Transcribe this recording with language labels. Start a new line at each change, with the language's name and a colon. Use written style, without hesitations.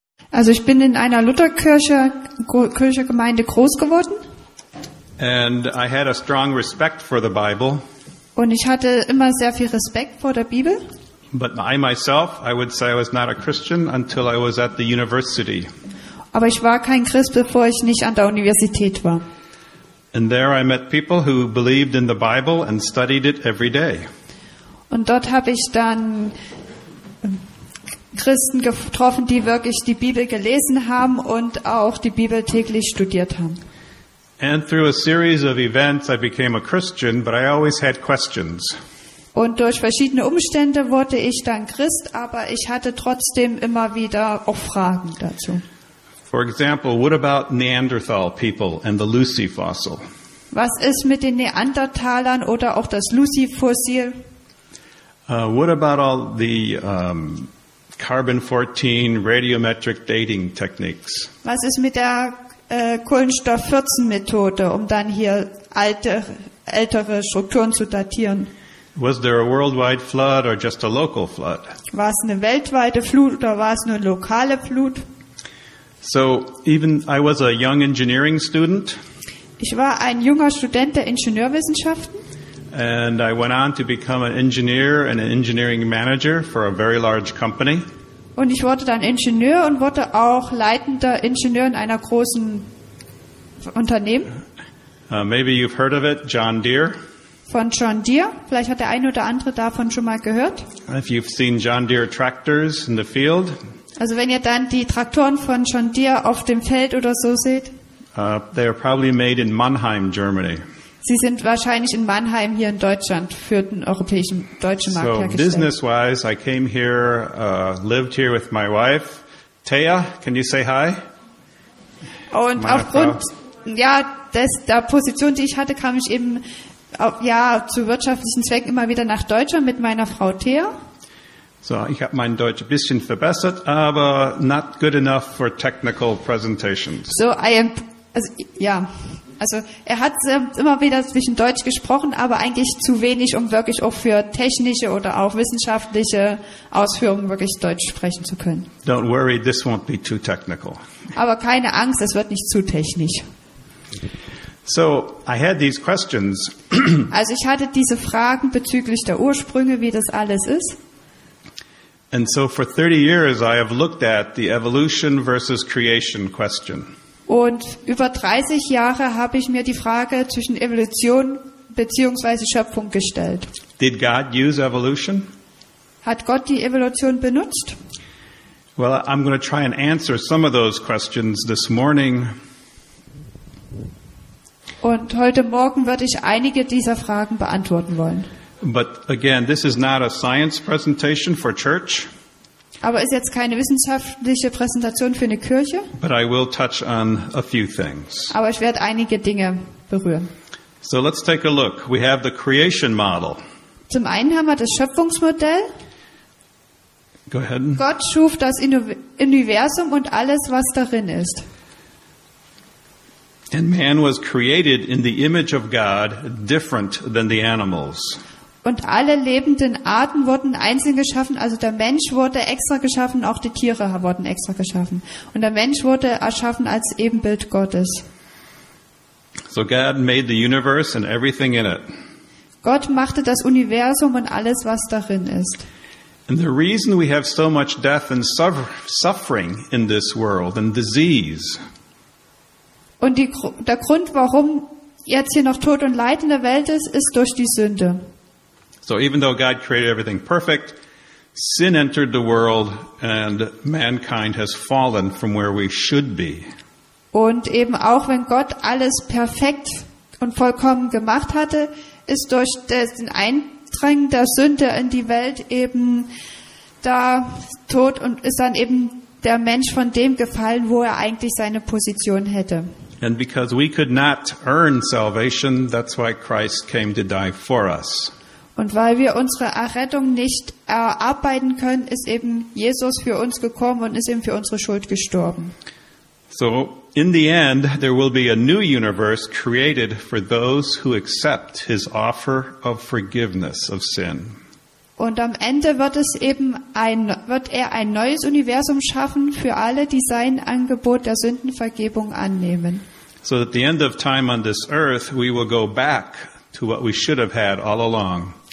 German: Also ich bin in einer Lutherkirche Kirchengemeinde groß geworden.
English: And I had a strong respect for the Bible.
German: Und ich hatte immer sehr viel Respekt vor der Bibel.
English: But I myself, I would say I was not a Christian until I was at the university.
German: Aber ich war kein Christ, bevor ich nicht an der Universität war.
English: And there I met people who believed in the Bible and studied it every day.
German: Und dort habe ich dann Christen getroffen, die wirklich die Bibel gelesen haben und auch die Bibel täglich studiert haben.
English: And through a series of events I became a Christian, but I always had questions.
German: Und durch verschiedene Umstände wurde ich dann Christ, aber ich hatte trotzdem immer wieder auch Fragen dazu.
English: For example, what about Neanderthal people and the Lucy fossil?
German: Was ist mit den Neandertalern oder auch das Lucy-Fossil?
English: What about all the carbon 14 radiometric dating techniques?
German: Was ist mit der Kohlenstoff 14 Methode, um dann hier ältere Strukturen zu datieren?
English: Was there a worldwide flood or just a local flood?
German: War es eine weltweite Flut oder war es nur lokale Flut?
English: So even I was a young engineering student.
German: Ich war ein junger Student der Ingenieurwissenschaften.
English: And I went on to become an engineer and an engineering manager for a very large company.
German: Und ich wurde dann Ingenieur und wurde auch leitender Ingenieur in einer großen Unternehmen.
English: Maybe you've heard of it, John Deere.
German: Von John Deere. Vielleicht hat der eine oder andere davon schon mal gehört.
English: If you've seen John Deere tractors in the field.
German: Also wenn ihr dann die Traktoren von John Deere auf dem Feld oder so seht.
English: They are probably made in Mannheim, Germany.
German: Sie sind wahrscheinlich in Mannheim hier in Deutschland für den europäischen deutschen Markt hergestellt.
English: So business-wise, I came here, lived here with my wife, Taya. Can you say hi?
German: Und aufgrund ja der Position, die ich hatte, kam ich eben ja zu wirtschaftlichen Zwecken immer wieder nach Deutschland mit meiner Frau Taya. So, ich habe mein Deutsch ein bisschen verbessert, aber
English: not good enough for technical presentations. So, I am, also, ja.
German: Also er hat immer wieder zwischen Deutsch gesprochen, aber eigentlich zu wenig, um wirklich auch für technische oder auch wissenschaftliche Ausführungen wirklich Deutsch sprechen zu können.
English: Don't worry, this won't be too technical.
German: Aber keine Angst, es wird nicht zu technisch.
English: So, I had these questions.
German: Also ich hatte diese Fragen bezüglich der Ursprünge, wie das alles ist.
English: And so for 30 years I have looked at the evolution versus creation question.
German: Und über 30 Jahre habe ich mir die Frage zwischen Evolution bzw. Schöpfung gestellt.
English: Did God use evolution?
German: Hat Gott die Evolution benutzt?
English: Well, I'm going to try and answer some of those questions this morning.
German: Und heute Morgen werde ich einige dieser Fragen beantworten wollen.
English: But again, this is not a science presentation for church.
German: Aber ist jetzt keine wissenschaftliche Präsentation für eine Kirche.
English: But I will touch on a few things.
German: Aber ich werde einige Dinge berühren.
English: So let's take a look. We have the creation model.
German: Zum einen haben wir das Schöpfungsmodell.
English: Go ahead.
German: Gott schuf das Universum und alles, was darin ist.
English: And man was created in the image of God, different than the animals.
German: Und alle lebenden Arten wurden einzeln geschaffen, also der Mensch wurde extra geschaffen, auch die Tiere wurden extra geschaffen. Und der Mensch wurde erschaffen als Ebenbild Gottes.
English: So God made the universe and everything in it.
German: Gott machte das Universum und alles, was darin ist.
English: And the reason we have so much death and suffering in this world and disease.
German: Und der Grund, warum jetzt hier noch Tod und Leid in der Welt ist, ist durch die Sünde.
English: So even though God created everything perfect, sin entered the world and mankind has fallen from where we should be.
German: Und eben auch wenn Gott alles perfekt und vollkommen gemacht hatte, ist durch den Eindringen der Sünde in die Welt eben da Tod und ist dann eben der Mensch von dem gefallen, wo er eigentlich seine Position hätte.
English: And because we could not earn salvation, that's why Christ came to die for us.
German: Und weil wir unsere Errettung nicht erarbeiten können, ist eben Jesus für uns gekommen und ist eben für unsere Schuld gestorben.
English: So in the end there will be a new universe created for those who accept his offer of forgiveness of sin.
German: Und am Ende wird er ein neues Universum schaffen für alle, die sein Angebot der Sündenvergebung annehmen.
English: So at the end of time on this earth, we will go back to what we should have had all along.